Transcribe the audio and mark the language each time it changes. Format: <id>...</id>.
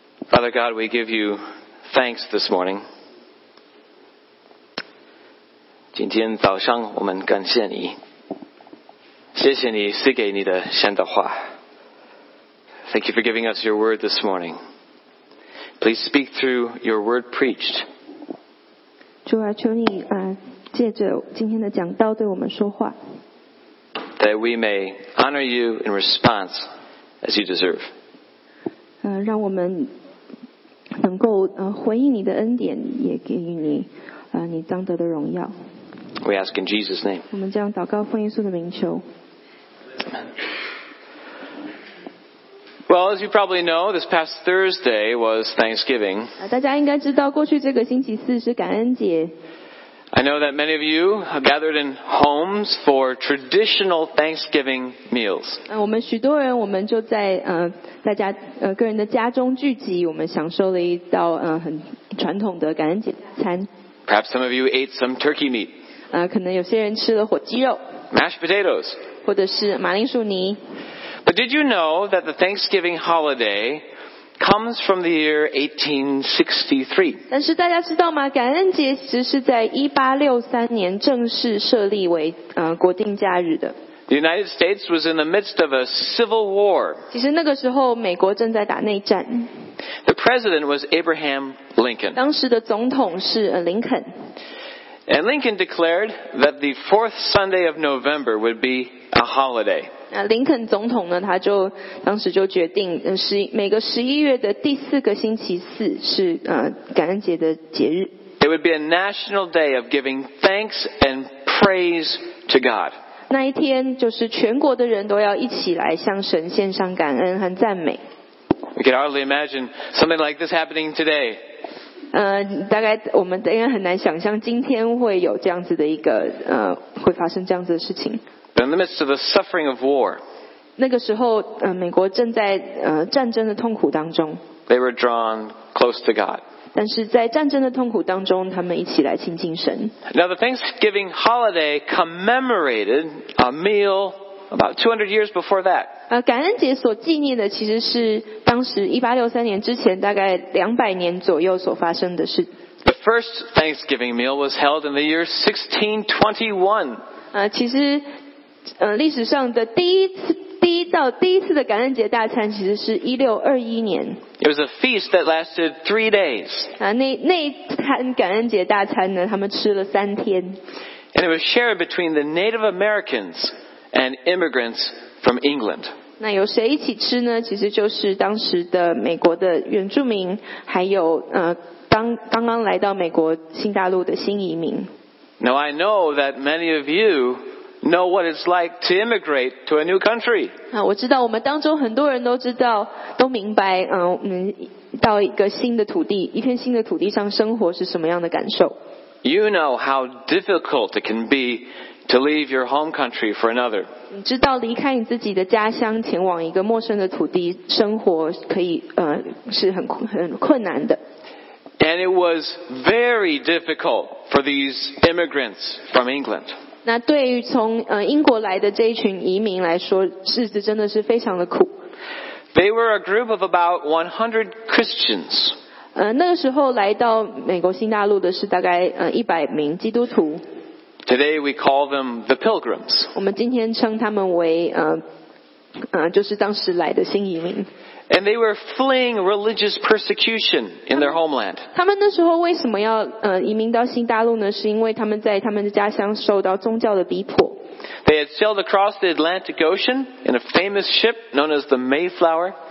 <en>Father God, we give you thanks this morning.</en> <zh>今天早上我们感谢你，谢谢你赐给你的神的话。</zh> <en>Thank you for giving us your word this morning. Please speak through your word preached.</en> <zh>主啊，求你借着今天的讲道对我们说话。</zh> <en>That we may honor you in response as you deserve.</en> <zh>让我们能够回应你的恩典，也给予你你当得的荣耀。</zh> <en>We ask in Jesus' name.</en> <zh>我们将祷告奉耶稣的名求。</zh> <en>Well, as you probably know, this past Thursday was Thanksgiving.</en> <zh>大家应该知道，过去这个星期四是感恩节。</zh> <en>I know that many of you gathered in homes for traditional Thanksgiving meals.</en> <zh>我们许多人，我们就在大家个人的家中聚集，我们享受了一道很传统的感恩节餐。</zh> <en>Perhaps some of you ate some turkey meat.</en> <zh>可能有些人吃了火鸡肉。</zh> <en>Mashed potatoes.</en> <zh>或者是马铃薯泥。</zh> <en>But did you know that the Thanksgiving holiday comes from the year 1863?</en> <zh>但是大家知道吗？感恩节其实是在1863年正式设立为国定假日的。</zh> <en>The United States was in the midst of a civil war.</en> <zh>其实那个时候美国正在打内战。</zh> <en>The president was Abraham Lincoln.</en> <zh>当时的总统是林肯。</zh> <en>And Lincoln declared that the fourth Sunday of November would be a holiday.</en> <zh>林肯总统呢，他就当时就决定，每个十一月的第四个星期四是感恩节的节日。</zh> <en>It would be a national day of giving thanks and praise to God.</en> <zh>那一天就是全国的人都要一起来向神献上感恩和赞美。</zh> <en>We can hardly imagine something like this happening today.</en> <zh>大概我们应该很难想象今天会有这样子的一个会发生这样子的事情。</zh> <en>In the midst of the suffering of war,</en> <zh>那个时候，美国正在战争的痛苦当中。</zh> <en>They were drawn close to God.</en> <zh>但是在战争的痛苦当中，他们一起来亲近神。</zh> <en>Now the Thanksgiving holiday commemorated a meal about 200 years before that.</en> <zh>感恩节所纪念的其实是当时1863年之前大概200年左右所发生的事。</zh> <en>The first Thanksgiving meal was held in the year 1621.</en> <zh>其实历史上的第一次的感恩节大餐其实是1621年。</zh> <en>It was a feast that lasted 3 days.</en> <zh>那一餐感恩节大餐呢，他们吃了三天。</zh> <en>And it was shared between the Native Americans and immigrants from England.</en> <zh>那有谁一起吃呢？其实就是当时的美国的原住民，还有刚刚来到美国新大陆的新移民。</zh> <en>Now I know that many of you. Know what it's like to immigrate to a new country.</en> <zh>我知道我们当中很多人都知道，都明白，到一个新的土地，一片新的土地上生活是什么样的感受。</zh> <en>You know how difficult it can be to leave your home country for another.</en> <zh>你知道离开你自己的家乡，前往一个陌生的土地生活，可以是很困难的。</zh> <en>And it was very difficult for these immigrants from England.</en> <zh>那对于从英国来的这一群移民来说，日子真的是非常的苦。</zh> <en>They were a group of about 100 Christians.</en> <zh>那个时候来到美国新大陆的是大概100名基督徒。</zh> <en>Today we call them the pilgrims.</en> <zh>我们今天称他们为就是当时来的新移民。</zh> <en>And they were fleeing religious persecution in their homeland.</en> <zh>他们那时候为什么要移民到新大陆呢？是因为他们在他们的家乡受到宗教的逼迫。</zh> <en>They had sailed across the Atlantic Ocean in a famous ship known as the Mayflower.</en>